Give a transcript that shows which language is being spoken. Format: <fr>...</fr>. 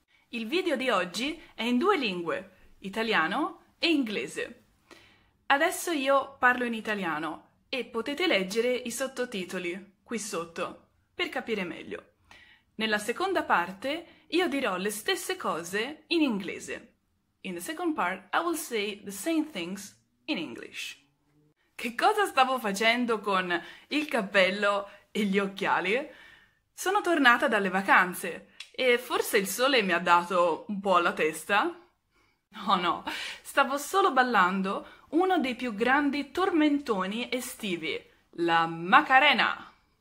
<it>Il video di oggi è in due lingue, italiano e inglese. Adesso io parlo in italiano e potete leggere i sottotitoli qui sotto per capire meglio. Nella seconda parte io dirò le stesse cose in inglese.</it> <en>In the second part I will say the same things in English.</en> <it>Che cosa stavo facendo con il cappello e gli occhiali? Sono tornata dalle vacanze e forse il sole mi ha dato un po' alla testa. Oh no, stavo solo ballando uno dei più grandi tormentoni estivi, la Macarena.</it>